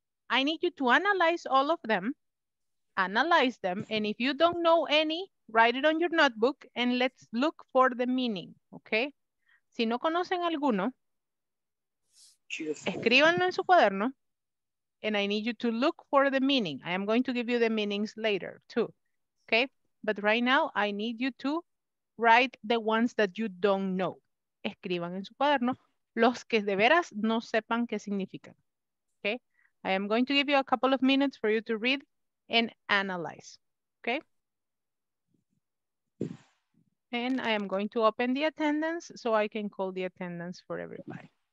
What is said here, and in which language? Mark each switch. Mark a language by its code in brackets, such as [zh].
[en] I need you to analyze all of them, analyze them, and if you don't know any, write it on your notebook and let's look for the meaning, okay? [es] Si no conocen alguno, escríbanlo en su cuaderno, [en] and I need you to look for the meaning. I am going to give you the meanings later too, okay? But right now, I need you to write the ones that you don't know. [es] Escriban en su cuaderno los que de veras no sepan qué significan. [en] Okay? I am going to give you a couple of minutes for you to read and analyze. Okay? And I am going to open the attendance so I can call the attendance for everybody.